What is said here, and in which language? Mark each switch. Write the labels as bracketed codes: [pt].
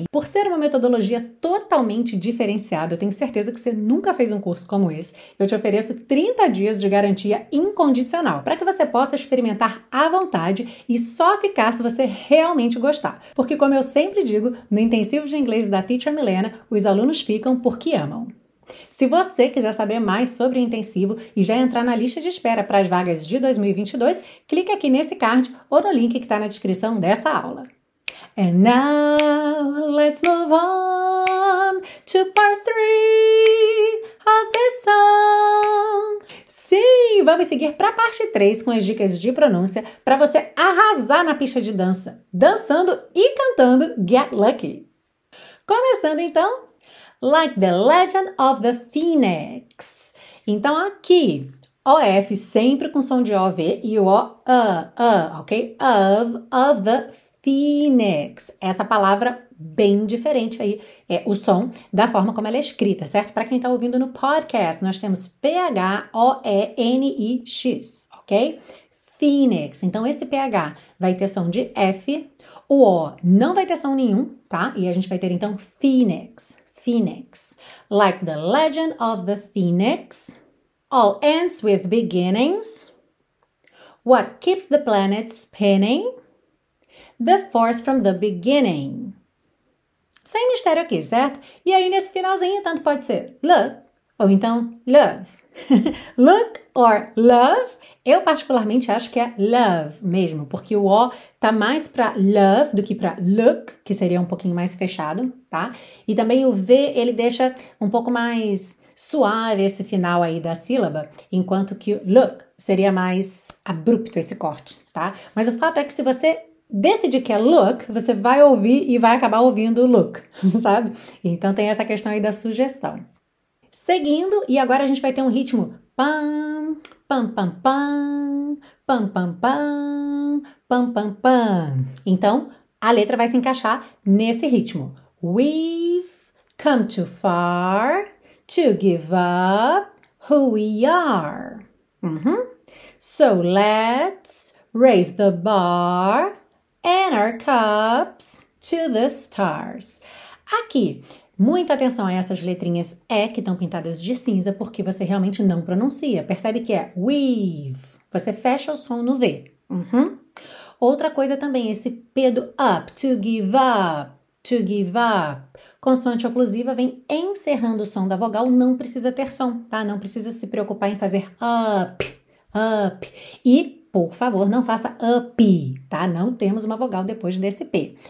[pt] E por ser uma metodologia totalmente diferenciada, eu tenho certeza que você nunca fez um curso como esse, eu te ofereço 30 dias de garantia incondicional, para que você possa experimentar à vontade e só ficar se você realmente gostar. Porque, como eu sempre digo, no intensivo de inglês da Teacher Milena, os alunos ficam porque amam. Se você quiser saber mais sobre o intensivo e já entrar na lista de espera para as vagas de 2022, clique aqui nesse card ou no link que está na descrição dessa aula. [en] And now, let's move on to part 3 of this song. [pt] Sim, vamos seguir para a parte 3 com as dicas de pronúncia para você arrasar na pista de dança, dançando e cantando Get Lucky. Começando então, [en] Like the Legend of the Phoenix. [pt] Então aqui, OF sempre com som de OV e o O, ok? [en] Of the Phoenix. [pt] Essa palavra bem diferente aí é o som da forma como ela é escrita, certo? Para quem está ouvindo no podcast, nós temos P-H-O-E-N-I-X, ok? Phoenix. Então, esse PH vai ter som de F, o O não vai ter som nenhum, tá? E a gente vai ter, então, Phoenix. [en] Phoenix. Like the legend of the Phoenix, all ends with beginnings. What keeps the planet spinning? The force from the beginning. [pt] Sem mistério aqui, certo? E aí, nesse finalzinho, tanto pode ser look ou então love. [en] Look or love, [pt] eu particularmente acho que é love mesmo, porque o O tá mais pra love do que pra look, que seria um pouquinho mais fechado, tá? E também o V, ele deixa um pouco mais suave esse final aí da sílaba, enquanto que look seria mais abrupto esse corte, tá? Mas o fato é que se você decidir que é look, você vai ouvir e vai acabar ouvindo look, sabe? Então tem essa questão aí da sugestão. Seguindo, e agora a gente vai ter um ritmo pam, pam, pam, pam, pam, pam, pam, pam, pam, pam. Então, a letra vai se encaixar nesse ritmo. [en] We've come too far to give up who we are. Uhum. So let's raise the bar and our cups to the stars. [pt] Aqui, muita atenção a essas letrinhas E que estão pintadas de cinza, porque você realmente não pronuncia. Percebe que é we've. Você fecha o som no V. Uhum. Outra coisa também, esse P do up, [en] to give up, to give up. [pt] Consoante oclusiva vem encerrando o som da vogal, não precisa ter som, tá? Não precisa se preocupar em fazer up, up. E, por favor, não faça up, tá? Não temos uma vogal depois desse P.